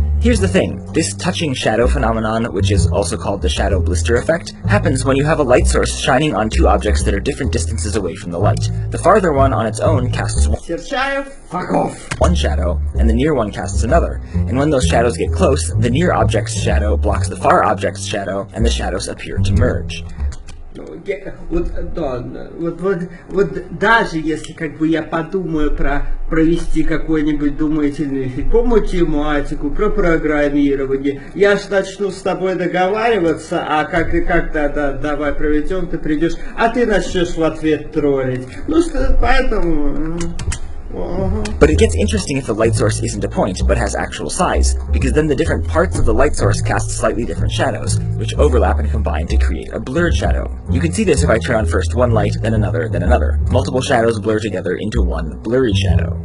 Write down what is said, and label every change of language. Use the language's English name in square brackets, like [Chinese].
[English] Here's the thing, this touching shadow phenomenon, which is also called the shadow blister effect, happens when you have a light source shining on two objects that are different distances away from the light. The farther one on its own casts one shadow, and the near one casts another. And when those shadows get close, the near object's shadow blocks the far object's shadow, and the shadows appear to merge. [Russian] Вот даже если как бы я подумаю про провести какую-нибудь думательную эфир по математику, про программирование, я ж начну с тобой договариваться, а как и как тогда давай проведем, ты придешь, а ты начнешь в ответ троллить. Ну что, поэтому. [English] But it gets interesting if the light source isn't a point, but has actual size, because then the different parts of the light source cast slightly different shadows, which overlap and combine to create a blurred shadow. You can see this if I turn on first one light, then another. Multiple shadows blur together into one blurry shadow.